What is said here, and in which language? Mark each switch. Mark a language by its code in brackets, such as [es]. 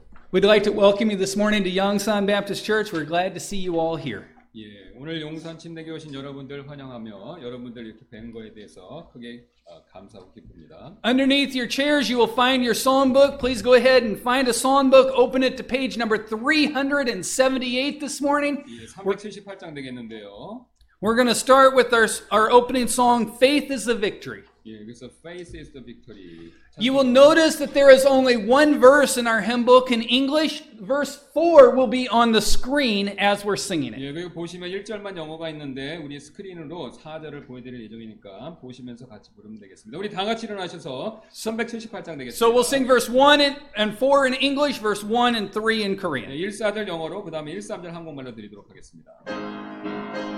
[en] We'd like to welcome you this morning to Yongsan Baptist Church. We're glad to see you all here. [ko] 예, 오늘 용산 침례교회 오신 여러분들 환영하며 여러분들 이렇게 뵌 거에 대해서 크게 감사하고 기쁩니다. [en] Underneath your chairs, you will find your psalm book. Please go ahead and find a psalm book. Open it to page number 378 this morning. [ko] 예, 378장 되겠는데요. [en] We're going to start with our opening song, "Faith Is the Victory." Yeah, so faith is the victory. You will notice that there is only one verse in our hymn book in English. Verse 4 will be on the screen as we're singing it. [ko] 예, 그리고 보시면 1절만 영어가 있는데 우리 스크린으로 4절을 보여드릴 예정이니까 보시면서 같이 부르면 되겠습니다. 우리 다 같이 일어나셔서 378장 되겠습니다. [en] So we'll sing verse 1 and 4 in English, verse 1 and 3 in Korean. [ko] 예, 1, 4절 영어로 그 다음에 1, 3절 한국말로 드리도록 하겠습니다.